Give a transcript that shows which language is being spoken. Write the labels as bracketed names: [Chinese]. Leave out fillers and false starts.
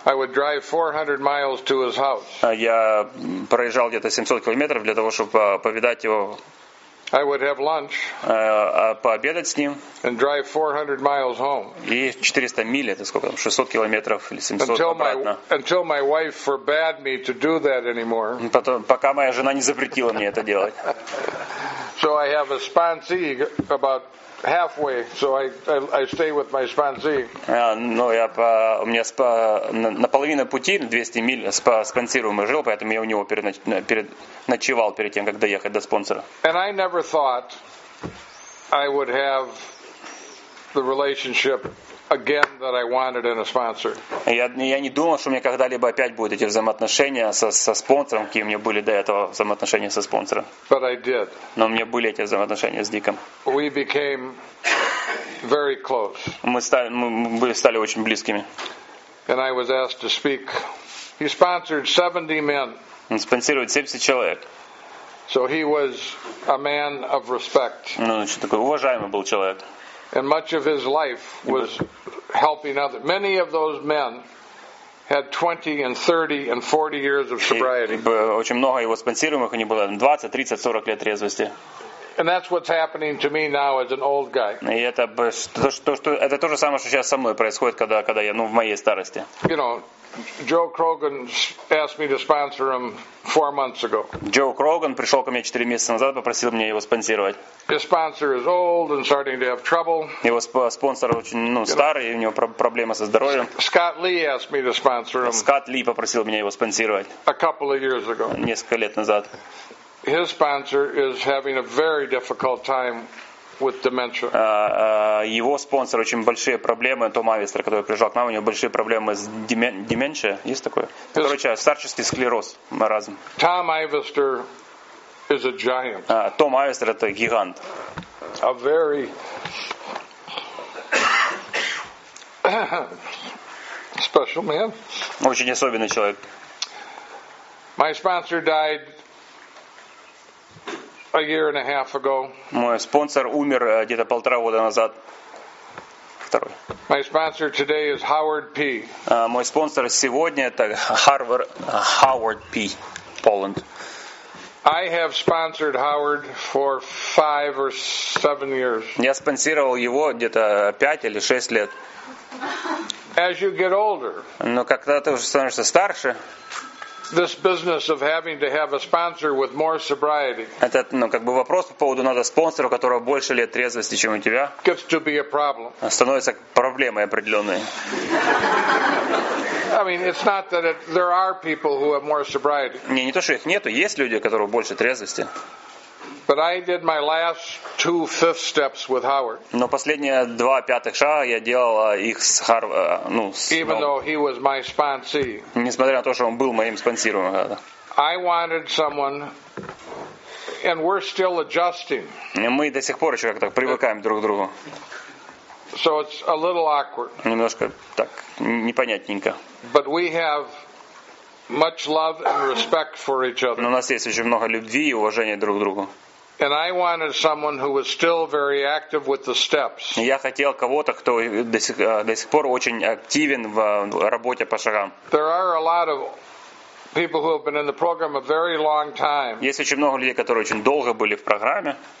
[English] I would drive 400 miles to his house. [Russian] Я проезжал где-то 700 километров для того, чтобы повидать его. [English] I would have lunch. [Russian] Пообедать с ним. [English] And drive 400 miles home. [Russian] И 400 миль, это сколько там, 600 километров или 700 обратно. [English] Until my wife forbade me to do that anymore. [Russian] Пока моя жена не запретила мне это делать. [English] So I have a sponsee about halfway, so I stay with my sponsee. [Russian] У меня на половине пути, 200 миль, спонсируемый жил, поэтому я у него переночевал перед тем, как доехать до спонсора. [English] And I never thought I would have the relationship again that I wanted in a sponsor. [Russian] Я не думал, что у меня когда-либо опять будут эти взаимоотношения со спонсором, какие у меня были до этого взаимоотношения со спонсором. [English] But I did. [Russian] Но у меня были эти взаимоотношения с Диком. [English] We became very close. [Russian] Мы стали очень близкими. [English] And I was asked to speak. He sponsored 70 men. [Russian] Он спонсирует 70 человек. [English] So he was a man of respect. [Russian] Значит, такой уважаемый был человек. [English] And much of his life was helping others. Many of those men had 20 and 30 and 40 years of sobriety. [Russian] Очень много его спонсируемых, они были 20, 30, 40 лет трезвости. [English] And that's what's happening to me now as an old guy. [Russian] И это то же самое, что сейчас со мной происходит, когда я, в моей старости. [English] You know, Joe Krogan asked me to sponsor him 4 months ago. [Russian] Joe Krogan пришел ко мне 4 месяца назад, попросил меня его спонсировать. [English] His sponsor is old and starting to have trouble. [Russian] Его спонсор очень, старый, и у него проблемы со здоровьем. [English] Scott Lee asked me to sponsor him. [Russian] Scott Lee попросил меня его спонсировать. [English] A couple of years ago. [Russian] Несколько лет назад. [English] His sponsor is having a very difficult time with dementia. [Russian] Его спонсор очень большие проблемы. Том Авистер, который приезжал к нам, у него большие проблемы с деменцией. Есть такое? Короче, старческий склероз, маразм. [English] Tom Ivester is a giant. [Russian] Том Авистер — это гигант. [English] A very special man. [Russian] Очень особенный человек. [English] My sponsor died a year and a half ago. [Russian] Мой спонсор умер где-то полтора года назад. Второй. [English] My sponsor today is Howard P. [Russian] Мой спонсор сегодня — это Howard P. Poland. [English] I have sponsored Howard for 5 or 7 years. [Russian] Я спонсировал его где-то 5 или 6 лет. [English] As you get older. [Russian] Но когда ты уже становишься старше. [English] This business of having to have a sponsor with more sobriety. [Russian] Этот, вопрос по поводу надо спонсора, у которого больше лет трезвости, чем у тебя. [English] Gets to be a problem. [Russian] Становится проблемой определенной. [English] I mean, it's not that there are people who have more sobriety. [Russian] Не то, что их нету, есть люди, у которых больше трезвости. [English] But I did my last 2/5 steps with Howard. [Russian] Но последние 2/5 шага я делал их с [English] Even though he was my sponsee. [Russian] Несмотря на то, что он был моим спонсируемым. [English] I wanted someone, and we're still adjusting. [Russian] Мы до сих пор еще как-то привыкаем друг к другу. [English] So it's a little awkward. [Russian] Немножко так непонятненько. [English] But we have much love and respect for each other. [Russian] Но у нас есть очень много любви и уважения друг к другу. [English] And I wanted someone who was still very active with the steps. [Russian] Я хотел кого-то, кто до сих пор очень активен в работе по шагам. [English] There are a lot of people who have been in the program a very long time. [Russian] Есть очень много людей, которые очень долго были в программе.